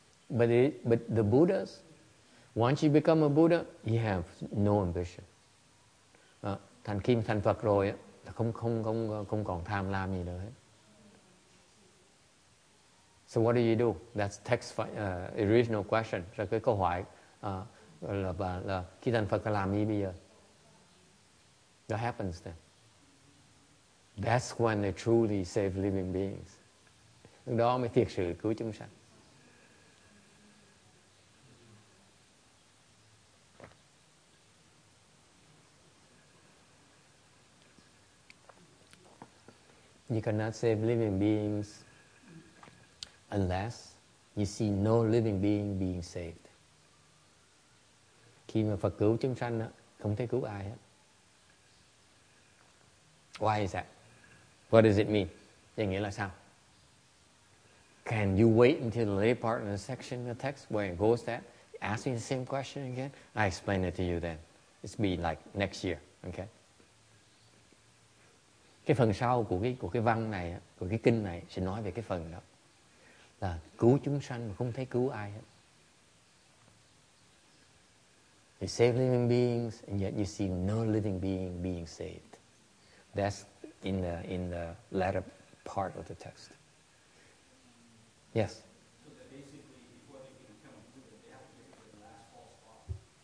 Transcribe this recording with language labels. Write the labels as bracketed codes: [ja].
[en] But the Buddhas, once you become a Buddha, you have no ambition. [vi] Thành Kim thành Phật rồi á, không còn tham lam gì nữa hết. [en] So what do you do? That's text original question. [vi] Rồi cái câu hỏi. Là khi thành Phật làm gì bây giờ? [en] What happens then? That's when they truly save living beings. [vi] Đó mới thiệt sự cứu chúng sanh. [en] You cannot save living beings unless you see no living being being saved. [vi] Khi mà Phật cứu chúng sanh, không thấy cứu ai hết. [en] Why is that? What does it mean? [vi] Vậy nghĩa là sao? [en] Can you wait until the later part of the section of the text where it goes that? Ask me the same question again? I explain it to you then. It's be like next year. Okay? [vi] Cái phần sau của cái văn này, của cái kinh này sẽ nói về cái phần đó. Là cứu chúng sanh mà không thấy cứu ai hết. [en] You save living beings and yet you see no living being being saved. That's in the latter part of the text. Yes. So that basically before they can come and do it, they have to get the last false prophet.